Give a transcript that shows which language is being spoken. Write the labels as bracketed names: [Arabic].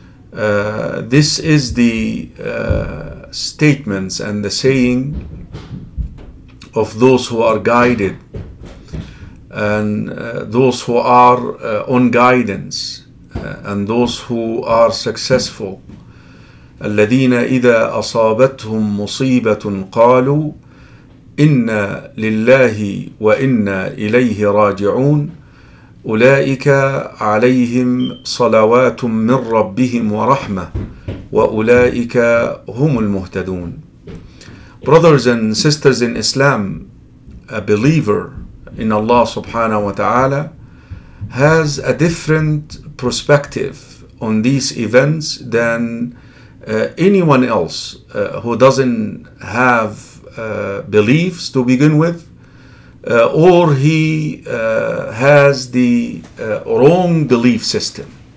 [English] This is the statements and the saying of those who are guided and those who are on guidance and those who are successful. [Arabic] الذين إذا أصابتهم مصيبة قالوا إن لله وإنا إليه راجعون أولئك عليهم صلوات من ربهم ورحمة وأولئك هم المهتدون. [English] Brothers and sisters in Islam, a believer in Allah subhanahu wa ta'ala has a different perspective on these events than anyone else who doesn't have beliefs to begin with, or he has the wrong belief system.